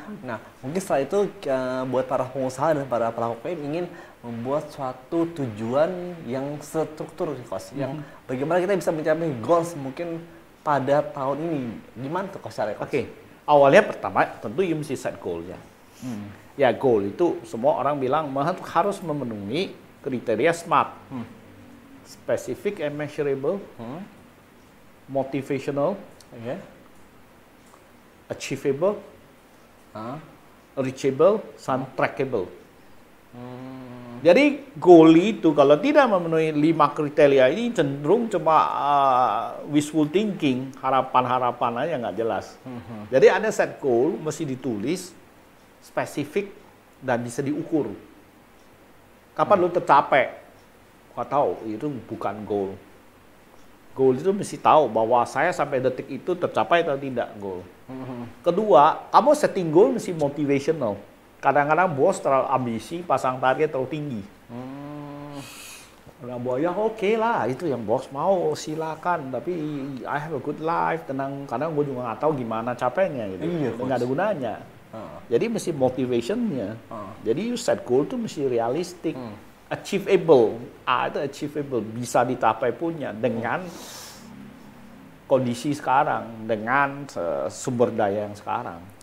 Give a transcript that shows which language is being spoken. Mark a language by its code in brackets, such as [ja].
[id] Nah, mungkin setelah itu buat para pengusaha dan para pelaku UKM ingin membuat suatu tujuan yang struktur ya Coach. Yang bagaimana kita bisa mencapai goals mungkin pada tahun ini. Gimana tuh Coach caranya Coach? Okay. Awalnya pertama tentu you mesti set goal-nya. Ya goal itu semua orang bilang harus memenuhi kriteria SMART. [en] Specific and measurable. Motivational. Achievable. Reachable. And trackable. [id] Jadi goal itu kalau tidak memenuhi 5 kriteria ini cenderung cuma wishful thinking, harapan-harapan aja nggak jelas. Jadi ada set goal, mesti ditulis, spesifik, dan bisa diukur. Kapan lu tercapai? Gak tahu, itu bukan goal. goal itu mesti tahu bahwa saya sampai detik itu tercapai atau tidak goal. Kedua, kamu setting goal mesti motivational. Kadang-kadang bos terlalu ambisi, pasang target terlalu tinggi. Nah, bahwa ya oke lah, itu yang bos mau, silakan. [en] Tapi I have a good life, tenang. [id] Kadang gue juga gak tahu gimana capeknya gitu. Iya, gak ada gunanya. Jadi mesti motivation-nya. Jadi you set goal tuh mesti realistic. Achievable, itu achievable, bisa dicapai punya dengan kondisi sekarang, dengan sumber daya yang sekarang.